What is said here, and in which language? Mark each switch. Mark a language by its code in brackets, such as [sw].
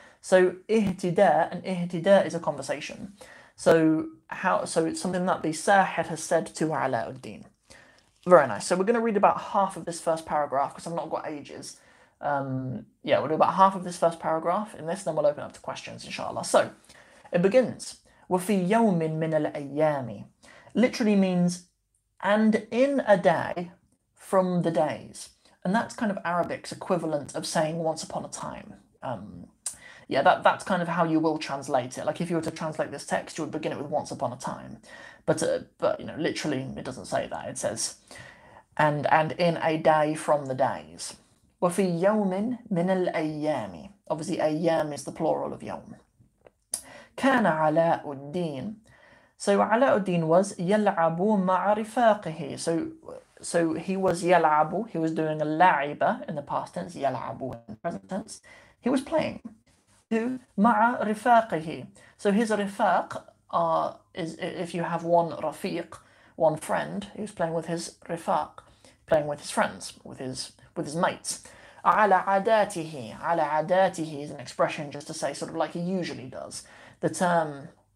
[en] So ihtida' and ihtida' is a conversation. So it's something that the sahir has said to ala ad-din. Very nice. So we're going to read about half of this first paragraph because I've not got ages. Yeah, we'll do about half of this first paragraph in this, and then we'll open up to questions, inshallah. So it begins [ar] وَفِي يَوْمٍ مِنَ الْأَيَّامِ. [en] Literally means, and in a day from the days. And that's kind of Arabic's equivalent of saying once upon a time. Yeah, that's kind of how you will translate it. Like if you were to translate this text, you would begin it with once upon a time. But you know, literally, it doesn't say that. It says, and in a day from the days. [ar] وَفِي يَوْمٍ مِنَ الْأَيَّامِ. [en] Obviously, أَيَّام is the plural of يَوْم. [ar] كَانَ عَلَاءُ الدِّينِ. [en] So Alauddin was [ar] يلعب مع رفاقه. [en] So he was يلعب. He was doing a لعب in the past tense. يلعب in the present tense. He was playing. Who [ar] مع رفاقه. [en] So his رفاق is if you have one رفيق, one friend. He was playing with his رفاق, playing with his friends, with his mates. [ar] على عاداته [en] is an expression just to say sort of like he usually does. The term.